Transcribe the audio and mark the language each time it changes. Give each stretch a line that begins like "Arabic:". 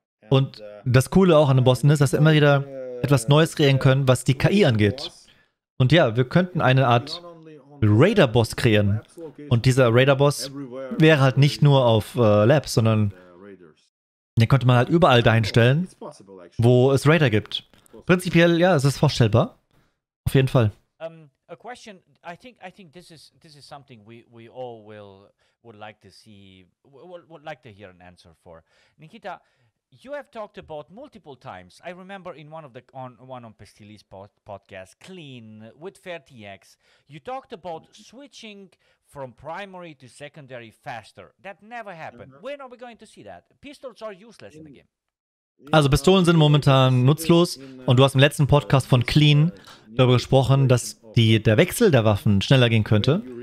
German: Und das Coole auch an den Bossen ist, dass sie immer wieder etwas Neues kreieren können, was die KI angeht. Und ja, wir könnten eine Art Raider-Boss kreieren. Und dieser Raider-Boss wäre halt nicht nur auf Labs, sondern den könnte man halt überall dahin stellen, wo es Raider gibt. Prinzipiell, ja, es ist vorstellbar. Auf jeden Fall.
English: A question, I think this is something we all would like to hear an answer for. Nikita, you have talked about multiple times. I remember in one of Pestilis podcast, Clean with FairTX, you talked about switching from primary to secondary faster. That never happened. When are we going to see that? Pistols are useless in the game.
German: Also Pistolen sind momentan nutzlos und du hast im letzten Podcast von Clean darüber gesprochen, dass der Wechsel der Waffen schneller gehen könnte.